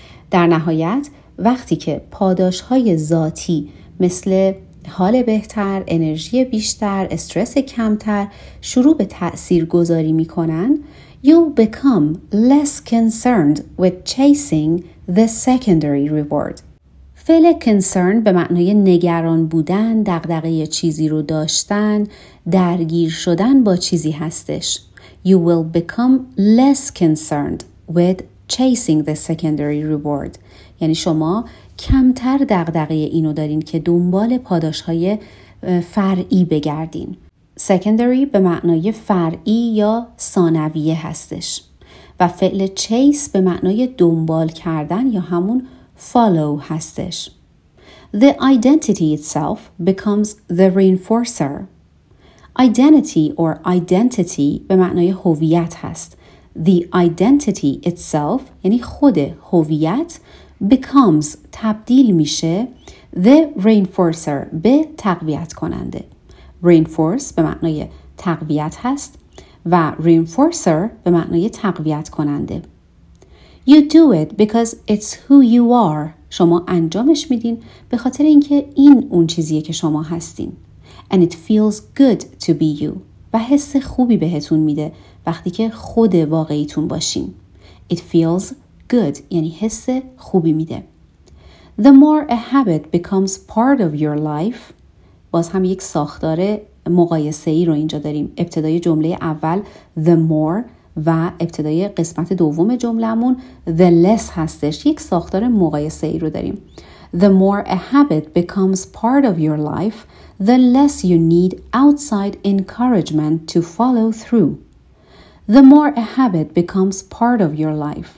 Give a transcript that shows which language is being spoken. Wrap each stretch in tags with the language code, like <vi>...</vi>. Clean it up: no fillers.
<fa>در نهایت وقتی که پاداش های ذاتی مثل حال بهتر، انرژی بیشتر، استرس کمتر شروع به تأثیر گذاری می کنن،</fa> <en>You'll become less concerned with chasing the secondary reward.</en> <fa>فعل concern به معنای نگران بودن، دغدغه چیزی رو داشتن، درگیر شدن با چیزی هستش.</fa> <en>You will become less concerned with chasing the secondary reward.</en> <fa>یعنی شما کمتر دغدغه اینو دارین که دنبال پاداش‌های فرعی بگردین. Secondary به معنای فرعی یا ثانویه هستش و فعل chase به معنای دنبال کردن یا همون follow هستش.</fa> <en>The identity itself becomes the reinforcer.</en> <fa>Identity or identity به معنای هویت هست.</fa> <en>The identity itself</en> <fa>یعنی خود هویت</fa> <en>becomes</en> <fa>تبدیل میشه</fa> <en>the reinforcer</en> <fa>به تقویت کننده. Reinforce به معنای تقویت هست و reinforcer به معنای تقویت کننده.</fa> <en>You do it because it's who you are.</en> <fa>شما انجامش میدین به خاطر اینکه این اون چیزیه که شما هستین.</fa> <en>And it feels good to be you.</en> <fa>و حس خوبی بهتون میده وقتی که خود واقعیتون باشین.</fa> <en>It feels good</en> <fa>یعنی حس خوبی میده.</fa> <en>The more a habit becomes part of your life.</en> <fa>باز هم یک ساختار مقایسه‌ای رو اینجا داریم. ابتدای جمله اول the more و ابتدای قسمت دوم جمله‌مون the less هستش. یک ساختار مقایسه‌ای رو داریم.</fa> <en>The more a habit becomes part of your life, the less you need outside encouragement to follow through. The more a habit becomes part of your life.</en>